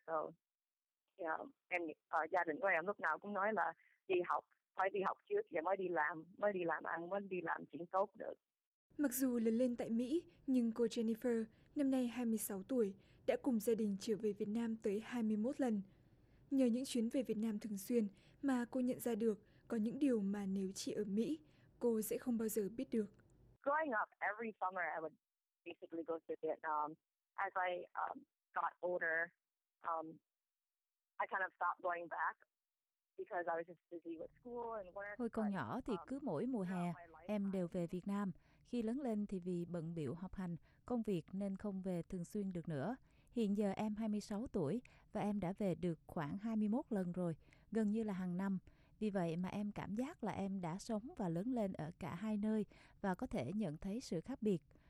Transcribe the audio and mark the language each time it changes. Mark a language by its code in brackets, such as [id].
[vi] So, em gia đình của em lúc nào cũng nói là đi học, phải đi học trước rồi mới đi làm ăn, mới đi làm chuyện tốt được. Mặc dù lớn lên tại Mỹ, nhưng cô Jennifer, năm nay 26 tuổi, đã cùng gia đình trở về Việt Nam tới 21 lần. Nhờ những chuyến về Việt Nam thường xuyên mà cô nhận ra được có những điều mà nếu chị ở Mỹ, cô sẽ không bao giờ biết được. [en] Growing up, every summer I would basically go to Vietnam. As I got older, I kind of stopped going back because I was just busy with school and work. [vi] Hồi còn nhỏ thì cứ mỗi mùa hè em đều về Việt Nam. Khi lớn lên thì vì bận bịu học hành, công việc nên không về thường xuyên được nữa. Hiện giờ em 26 tuổi và em đã về được khoảng 21 lần rồi, gần như là hàng năm. Vì vậy mà em cảm giác là em đã sống và lớn lên ở cả hai nơi và có thể nhận thấy sự khác biệt.